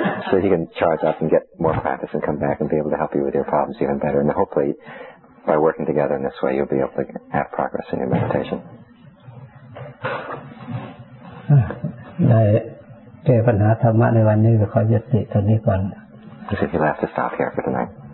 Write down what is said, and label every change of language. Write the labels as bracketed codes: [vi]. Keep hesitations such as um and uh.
[en] so he can charge up and get more practice and come back and be able to help you with your problems even better. And hopefully, by working together in this way, you'll be able to have progress in your meditation. [th] ได้แก้ปัญหาธรรมะในวันนี้ก็ขอยุติตรงนี้ก่อน [en] He said he'll have to stop here for tonight.